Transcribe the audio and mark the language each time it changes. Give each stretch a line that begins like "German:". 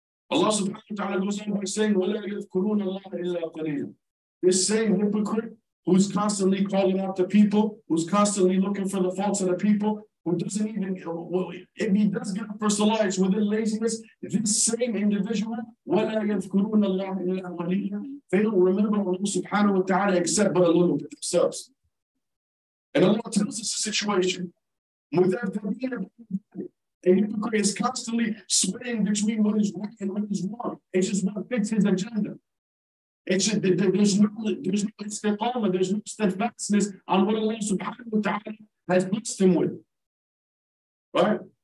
English: Allah subhanahu wa ta'ala goes on by saying,
Arabic: وَلَا يَذْكُرُونَ اللَّهَ إِلَّا قَلِيلًا.
English: This same hypocrite who's constantly calling out the people, who's constantly looking for the faults of the people, who doesn't even, well, if he does get up for salah, it's within laziness. This same individual,
Arabic: وَلَا يَذْكُرُونَ اللَّهَ إِلَّا قَلِيلًا.
English: They don't remember Allah subhanahu wa ta'ala except but a little bit themselves. And Allah tells us the situation. Without the being a hypocrite is constantly swaying between what is right and what is wrong. It's just what fits his agenda. There's no istiqamah, there's no steadfastness on what Allah subhanahu wa ta'ala has blessed him with. Right?